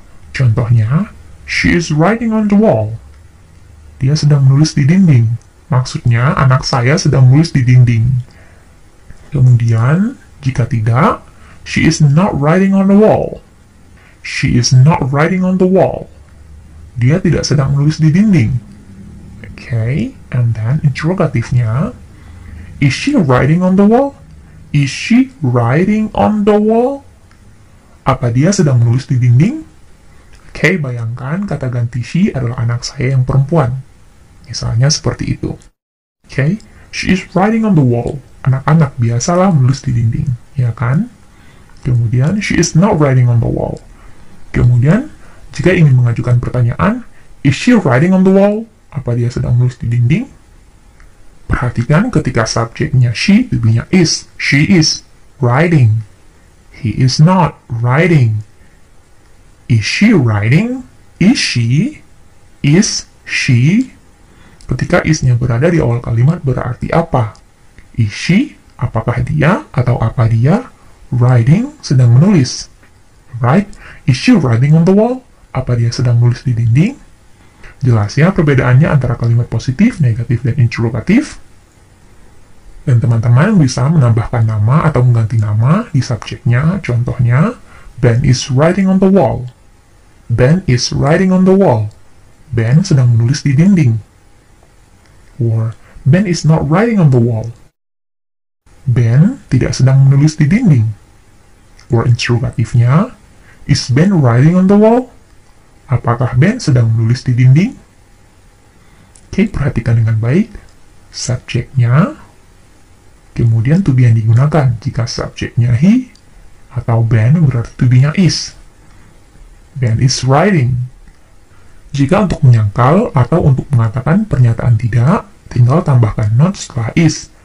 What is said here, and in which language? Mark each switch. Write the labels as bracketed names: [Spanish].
[English] Contohnya, she is writing on the wall. [Indonesian] Dia sedang menulis di dinding. Maksudnya, anak saya sedang menulis di dinding. Kemudian, jika tidak, [English] she is not writing on the wall. She is not writing on the wall. [Indonesian] Dia tidak sedang menulis di dinding. [English] Okay, and then interrogatifnya, is she writing on the wall? Is she writing on the wall? [Indonesian] Apa dia sedang menulis di dinding? Okay, bayangkan kata ganti she adalah anak saya yang perempuan. Misalnya seperti itu. [English] Okay, she is writing on the wall. [Indonesian] Anak-anak biasalah menulis di dinding, ya kan? [English] Kemudian, she is not writing on the wall. [Indonesian] Kemudian, jika ingin mengajukan pertanyaan, [English] is she writing on the wall? [Indonesian] Apa dia sedang menulis di dinding? Perhatikan ketika subjeknya she, bibinya is. [English] She is writing. He is not writing. Is she writing? Is she? Is she? [Indonesian] Ketika is-nya berada di awal kalimat berarti apa? [English] Is she? [Indonesian] Apakah dia? Atau apa dia? Writing, sedang menulis. Right? [English] Is she writing on the wall? [Indonesian] Apa dia sedang menulis di dinding? Jelasnya perbedaannya antara kalimat positif, negatif, dan interrogatif. Dan teman-teman bisa menambahkan nama atau mengganti nama di subjeknya. [English] Contohnya, Ben is writing on the wall. Ben is writing on the wall. [Indonesian] Ben sedang menulis di dinding. [English] Or, Ben is not writing on the wall. [Indonesian] Ben tidak sedang menulis di dinding. [English] Or interrogatifnya, is Ben writing on the wall? [Indonesian] Apakah Ben sedang menulis di dinding? Oke, perhatikan dengan baik. Subjeknya, kemudian to be yang digunakan. Jika subjeknya he atau Ben berarti to be-nya is. [English] Ben is writing. [Indonesian] Jika untuk menyangkal atau untuk mengatakan pernyataan tidak, tinggal tambahkan not setelah is.